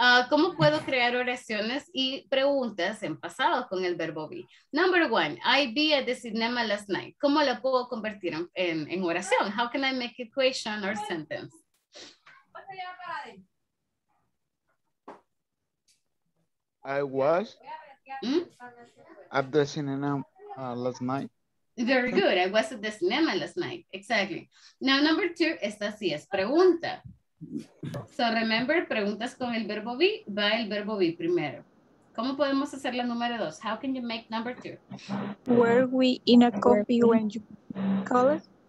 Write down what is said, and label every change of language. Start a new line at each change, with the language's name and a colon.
Spanish: ¿Cómo puedo crear oraciones y preguntas en pasado con el verbo be?
English: Number 1, I be at the cinema last night.
Spanish: ¿Cómo la puedo convertir en oración?
English: How can I make a question or sentence? I was at the cinema last night. Very good. I was at the cinema last night. Exactly. Now, number 2,
Spanish: esta sí es pregunta.
English: So, remember,
Spanish: preguntas con el verbo be, va el verbo be primero. ¿Cómo podemos hacer la número 2?
English: How can you make number 2? Were we in a coffee when you called?